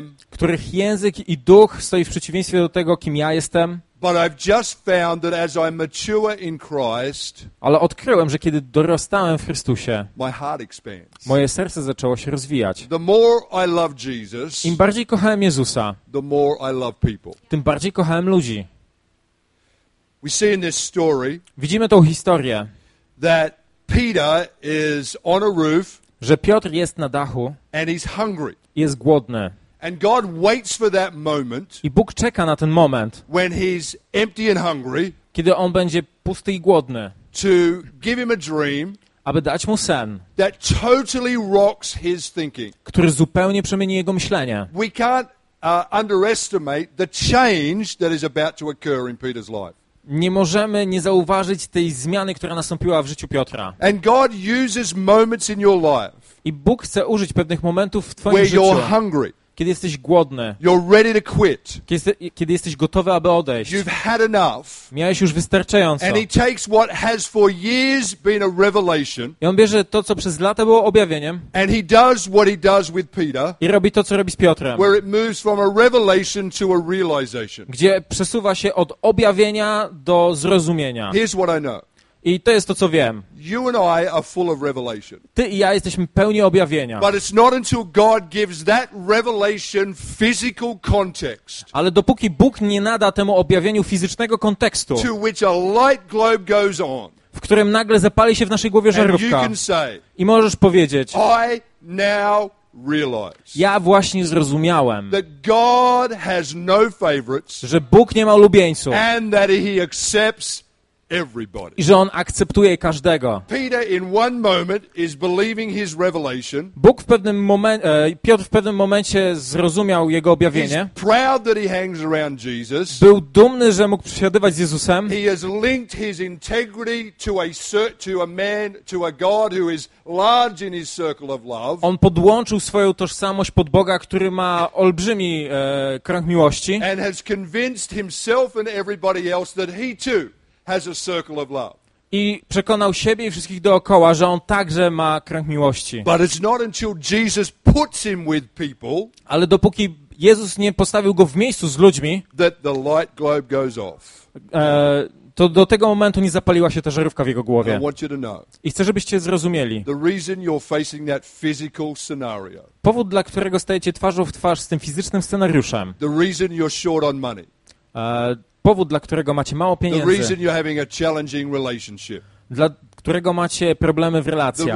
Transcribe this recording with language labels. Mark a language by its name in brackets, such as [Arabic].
[Polish] Których język i duch stoi w przeciwieństwie do tego, kim ja jestem. [English] But I've just found that as I mature in Christ, [Polish] ale odkryłem, że kiedy dorastałem w Chrystusie, [English] my heart expands. [Polish] Moje serce zaczęło się rozwijać. [English] The more I love Jesus, [Polish] im bardziej kochałem Jezusa, [English] the more I love people. [Polish] Tym bardziej kochałem ludzi. [English] We see in this story, [Polish] widzimy tą historię, [English] that Peter is on a roof, [Polish] że Piotr jest na dachu, [English] and he's hungry. [Polish] Jest głodny. [English] And God waits for that moment. [Polish] I Bóg czeka na ten moment. [English] When he's empty and hungry. [Polish] Kiedy on będzie pusty i głodny. [English] To give him a dream. [Polish] Aby dać mu sen. [English] That totally rocks his thinking. [Polish] Który zupełnie przemieni jego myślenie. [English] We can't underestimate the change that is about to occur in Peter's life. [Polish] Nie możemy nie zauważyć tej zmiany, która nastąpiła w życiu Piotra. [English] And God uses moments in your life. [Polish] I Bóg chce użyć pewnych momentów w twoim [English] where [Polish] życiu. [English] You're hungry. [Polish] Kiedy jesteś głodny. [English] You're ready to quit. [Polish] Kiedy jesteś gotowy, aby odejść. [English] You've had enough. [Polish] Miałeś już wystarczająco. [English] And he takes what has for years been a revelation. [Polish] I on bierze to, co przez lata było objawieniem. [English] And he does what he does with Peter. [Polish] I robi to, co robi z Piotrem. [English] Where it moves from a revelation to a realization. [Polish] Gdzie przesuwa się od objawienia do zrozumienia. [English] Here's what I know. [Polish] I to jest to, co wiem. [English] You and I are full of revelation. [Polish] Ty i ja jesteśmy pełni objawienia. [English] But it's not until God gives that revelation physical context. [Polish] Ale dopóki Bóg nie nada temu objawieniu fizycznego kontekstu, [English] to which a light globe goes on, [Polish] w którym nagle zapali się w naszej głowie żarówka, [English] and you can say, [Polish] i możesz powiedzieć, [English] I now realize, [Polish] ja właśnie zrozumiałem, [English] that God has no favorites, [Polish] że Bóg nie ma ulubieńców, [English] and that he accepts everybody. [Polish] I że on akceptuje każdego. [English] Peter in one moment is believing his revelation. [Polish] Bóg w pewnym momencie, Piotr w pewnym momencie zrozumiał jego objawienie. [English] He's proud that he hangs around Jesus. [Polish] Był dumny, że mógł przysiadywać z Jezusem. [English] He has linked his integrity to a man, to a God who is large in his circle of love. [Polish] On podłączył swoją tożsamość pod Boga, który ma olbrzymi krąg miłości. [English] And has convinced himself and everybody else that he too has a circle of love. [Polish] I przekonał siebie i wszystkich dookoła, że on także ma krąg miłości. [English] But it's not until Jesus puts him with people, [Polish] ale dopóki Jezus nie postawił go w miejscu z ludźmi, [English] that the light globe goes off. [Polish] To do tego momentu nie zapaliła się ta żarówka w jego głowie. [English] I want you to know, [Polish] i chcę, żebyście zrozumieli, [English] the reason you're facing that physical scenario, [Polish] powód, dla którego stajecie twarzą w twarz z tym fizycznym scenariuszem, [English] the reason you're short on money, [Polish] powód, dla którego macie mało pieniędzy. [English] The reason you're having a challenging relationship. [Polish] Dla którego macie problemy w relacjach.